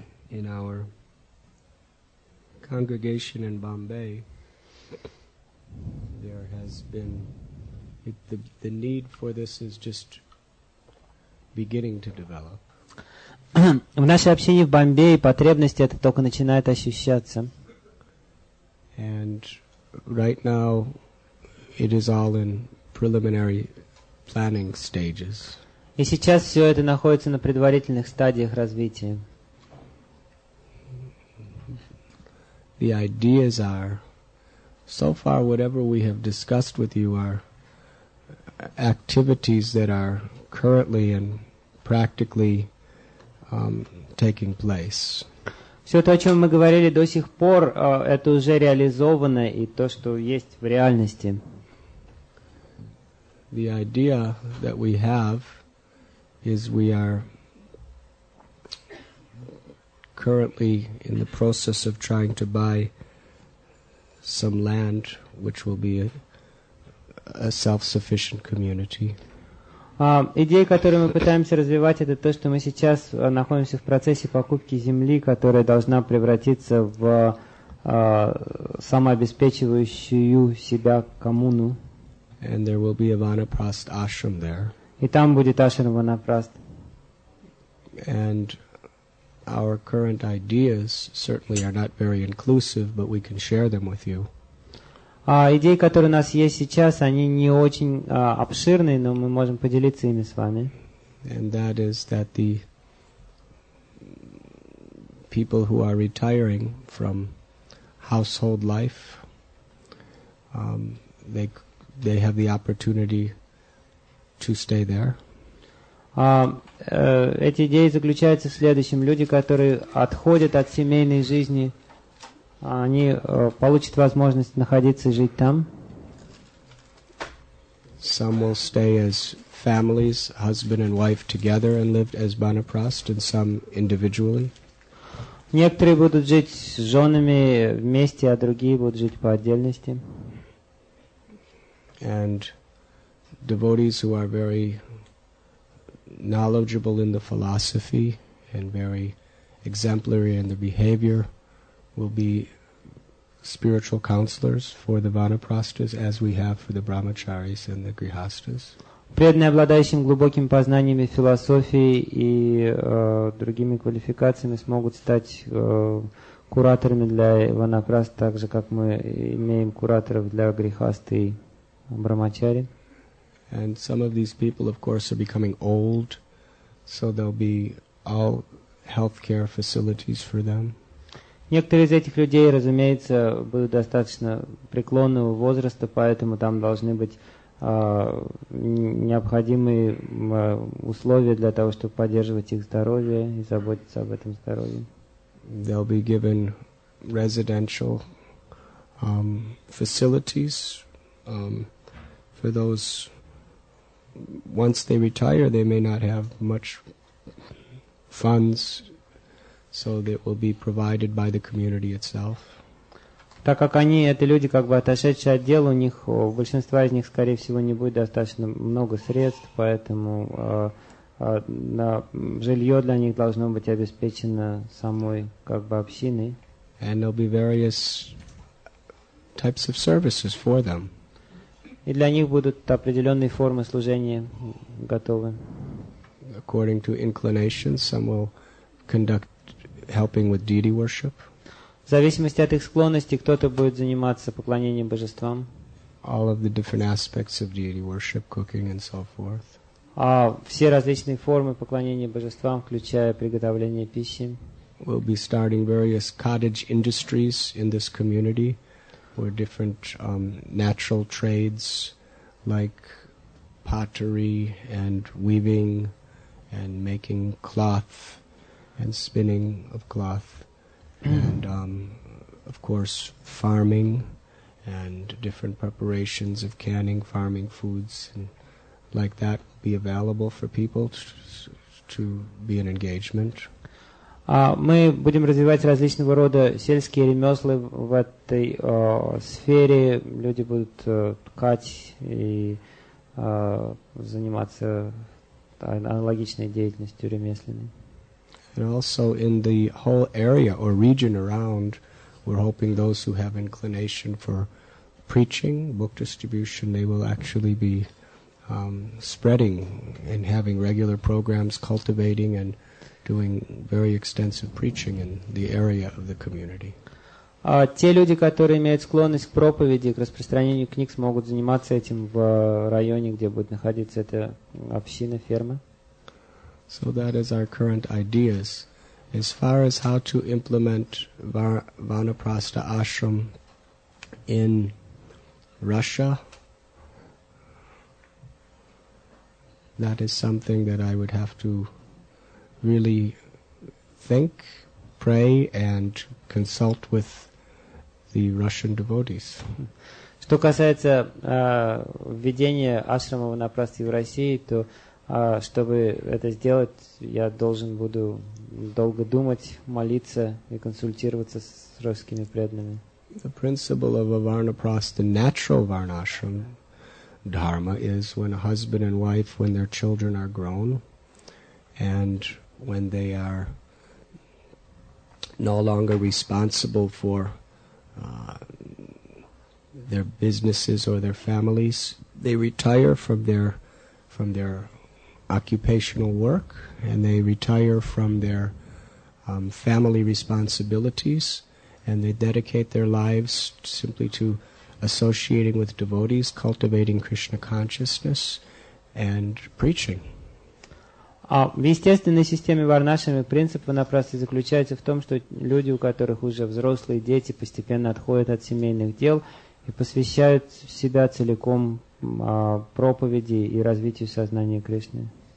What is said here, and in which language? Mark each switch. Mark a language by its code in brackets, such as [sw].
[en] In our congregation in Bombay, there has been the need for this is just beginning to develop. [ru] В нашей общине в Бомбее потребность это только начинает ощущаться. [en] And right now it is all in preliminary planning stages. [ru] И сейчас все это находится на предварительных стадиях развития. [en] The ideas are, so far whatever we have discussed with you are activities that are currently and practically taking place. [ru] Все то, о чем мы говорили до сих пор, это уже реализовано и то, что есть в реальности. [en] The idea that we have is we are currently in the process of trying to buy some land, which will be a self-sufficient community. [ru] Идея, которую мы пытаемся развивать, это то, что мы сейчас находимся в процессе покупки земли, которая должна превратиться в самообеспечивающую себя коммуну. [en] And there will be a vanaprast ashram there. [ru] И там будет ашрам ванапраст. [en] And our current ideas certainly are not very inclusive, but we can share them with you. [ru] Идеи, которые у нас есть сейчас, они не очень обширные, но мы можем поделиться ими с вами. [en] And that is that the people who are retiring from household life, they have the opportunity to stay there. [ru] Эти идеи заключаются в следующем. Люди, которые отходят от семейной жизни, они получат возможность находиться и жить там. [en] Some will stay as families, husband and wife together and live as vanaprast, and some individually. [ru] Некоторые будут жить с женами вместе, а другие будут жить по отдельности. [en] And devotees who are very knowledgeable in the philosophy and very exemplary in the behavior will be spiritual counselors for the vanaprastas, as we have for the brahmacharis and the grihastas. [ru] Преданные, обладающие глубокими познаниями философии и другими квалификациями, смогут стать кураторами для ванапраст, так же как мы имеем кураторов для грихасты и брахмачари. [en] And some of these people, of course, are becoming old, so there'll be all healthcare facilities for them. [ru] Некоторые из этих людей, разумеется, будут достаточно преклонного возраста, поэтому там должны быть необходимые условия для того, чтобы поддерживать их здоровье и заботиться об этом здоровье. [en] They'll be given residential facilities for those. Once they retire, they may not have much funds, so that will be provided by the community itself. [ru] Так как они, эти люди, как бы отошедшие от дел, у них, у большинства из них, скорее всего, не будет достаточно много средств, поэтому на жилье для них должно быть обеспечено самой, как бы, общиной. [en] And there'll be various types of services for them. [ru] И для них будут определенные формы служения готовы. [en] According to inclination, some will conduct helping with deity worship. [ru] В зависимости от их склонности, кто-то будет заниматься поклонением божествам. [en] All of the different aspects of deity worship, cooking and so forth. [ru] А все различные формы поклонения божествам, включая приготовление пищи. [en] We'll be starting various cottage industries in this community, or different natural trades like pottery and weaving and making cloth and spinning of cloth. And of course, farming and different preparations of canning, farming foods, and like that, be available for people to be in engagement. [ru] Мы будем развивать различного рода сельские ремесла в этой сфере. Люди будут ткать и заниматься аналогичной деятельностью ремесленной. [en] And also in the whole area or region around, we're hoping those who have inclination for preaching, book distribution, they will actually be spreading and having regular programs, cultivating and doing very extensive preaching in the area of the community. [ru] Те люди, которые имеют склонность к проповеди, к распространению книг, смогут заниматься этим в районе, где будет находиться эта община, ферма. [en] So that is our current ideas. As far as how to implement Vanaprastha Ashram in Russia, that is something that I would have to really think, pray, and consult with the Russian devotees. [ru] Что касается введения ашрама Ванапрасти в России, то чтобы это сделать, я должен буду долго думать, молиться и консультироваться с русскими преданными. [en] The principle of a Varnaprastha, natural Varnashram Dharma, is when a husband and wife, when their children are grown, and when they are no longer responsible for their businesses or their families, they retire from their occupational work, and they retire from their family responsibilities, and they dedicate their lives simply to associating with devotees, cultivating Krishna consciousness, and preaching. [ru] В естественной системе Варнашрама принцип Ванапрасты заключается в том, что люди, у которых уже взрослые дети, постепенно отходят от семейных дел и посвящают себя целиком проповеди и развитию сознания Кришны.